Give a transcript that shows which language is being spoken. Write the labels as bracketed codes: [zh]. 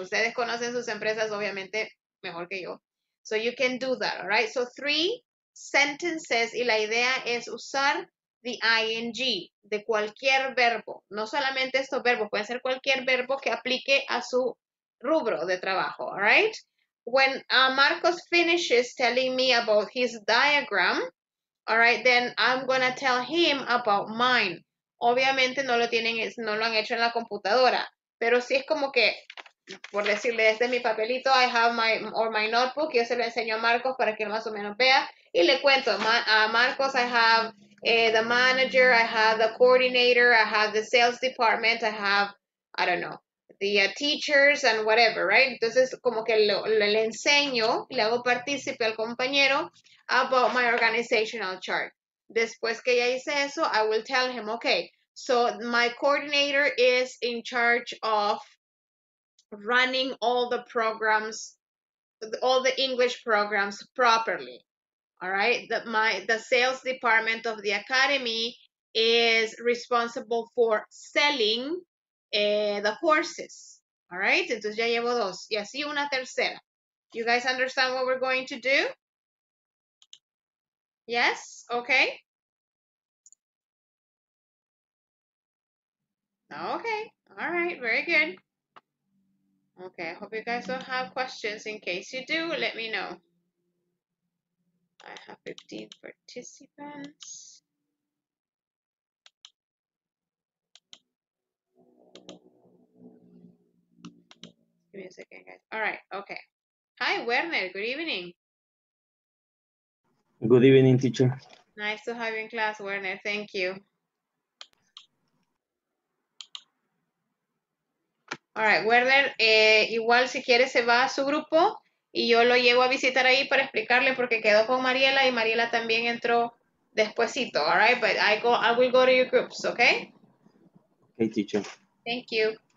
[es] Ustedes conocen sus empresas, obviamente, mejor que yo. [en] So you can do that, all right? So three sentences, [es] y la idea es usar the ing de cualquier verbo. No solamente estos verbos, puede ser cualquier verbo que aplique a su rubro de trabajo, [en] all right? When Marcos finishes telling me about his diagram, all right, then I'm going to tell him about mine. [es] Obviamente no lo tienen, no lo han hecho en la computadora, pero sí es como que, por decirle, desde mi papelito, [en] I have my, or my notebook, [es] yo se lo enseño a Marcos para que él más o menos vea, y le cuento, [en] Marcos, I have the manager, I have the coordinator, I have the sales department, I have, I don't know, the teachers and whatever, right? [es] Entonces, como que le enseño, le hago partícipe al compañero [en] about my organizational chart. [es] Después que ya hice eso, [en] I will tell him, okay, so my coordinator is in charge of running all the programs, all the English programs properly, all right? The sales department of the academy is responsible for selling the horses, all right? [es] Entonces ya llevo dos, y así una tercera. [en] You guys understand what we're going to do? Yes, okay. Okay, all right, very good. Okay, I hope you guys don't have questions. In case you do, let me know. I have 15 participants. Give me a second, guys. All right, okay. Hi, Werner, good evening. Good evening, teacher. Nice to have you in class, Werner. Thank you. [es] All right, Werner, igual si quiere se va a su grupo y yo lo llevo a visitar ahí para explicarle porque quedó con Mariela y Mariela también entró despuesito, [en] all right? But I will go to your groups, okay? Okay, teacher. Thank you.